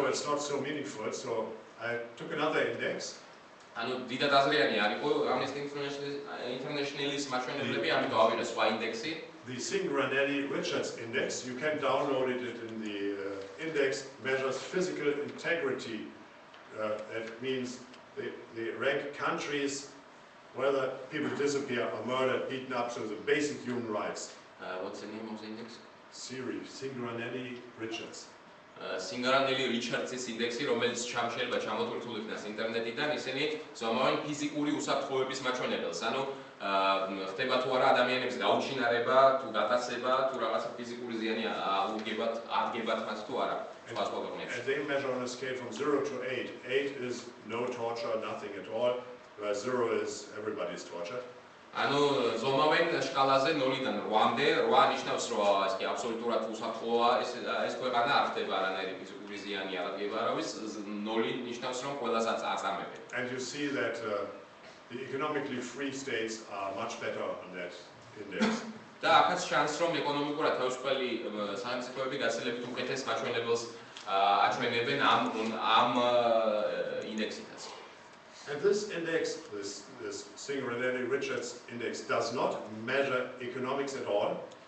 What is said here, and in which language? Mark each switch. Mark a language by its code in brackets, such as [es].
[en] So it's not so meaningful, so I took another index. [ka] ანუ დიდად აზრიანი არისო Amnesty International-ის მაჩვენებლები, ამიტომ ავიღე სხვა ინდექსი. [en] The Singranelli Richards index, you can download it in the index measures physical integrity. That means they rank countries whether people disappear or murdered, beaten up, so the basic human rights. What's the name of the index? Singranelli Richards. [ka] Singranelli Richards-ის ინდექსი, რომელიც ჩამშელება ჩამოტვირთულ იქნას ინტერნეტიდან, ისინი ზომავენ ფიზიკური უსაფრთხოების მაჩვენებელს, ანუ ხდება თუ არა ადამიანების გაუჩინარება, თუ გატაცება, თუ რაღაცა ფიზიკური ზიანი აუგებათ, აღგებათ მათ თუ არა. სხვა სხვა ქვეყნებში. [en] They measure on a scale from 0 to 8. 8 is no torture, nothing at all, where 0 is everybody is tortured. [ka] ანუ ზომავენ შკალაზე 0-დან 8-მდე, 8 ნიშნავს, რომ ესე აბსოლუტურად უსაფრთხოა, ეს ქვეყანა არ ხდება არანაირი ფიზიკური ზიანი აღდგება არავის, 0 ნიშნავს, რომ ყველასა წაწამები. [en] And you see that the economically free states are much better on that index. [ka] და ახაც შანსი რომ ეკონომიკურად თავისუფალი სახელმწიფოები გაცილებით უკეთეს მაჩვენებელს აჩვენებენ ამ ინდექსითაც. [en] And this index, this Singer and Lenny Richards index, does not measure economics at all.